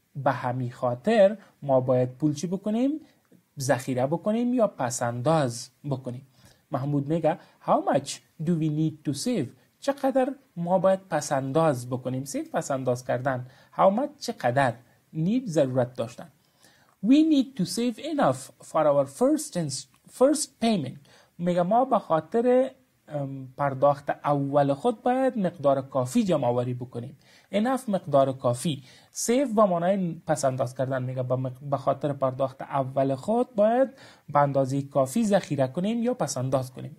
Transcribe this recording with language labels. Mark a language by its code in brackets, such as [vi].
[fa] به همین خاطر ما باید پول چی بکنیم؟ ذخیره بکنیم یا پس انداز بکنیم. محمود میگه [en] how much do we need to save? [fa] چقدر ما باید پس انداز بکنیم؟ سیو پس انداز کردن. How much, چقدر need, ضرورت داشتن. [en] We need to save enough for our first payment. [fa] میگه ما به خاطر پرداخت اول خود باید مقدار کافی جمع آوری بکنیم. enough, مقدار کافی. سیف با معنای پس انداز کردن میگه به خاطر پرداخت اول خود باید به اندازه کافی ذخیره کنیم یا پس انداز کنیم.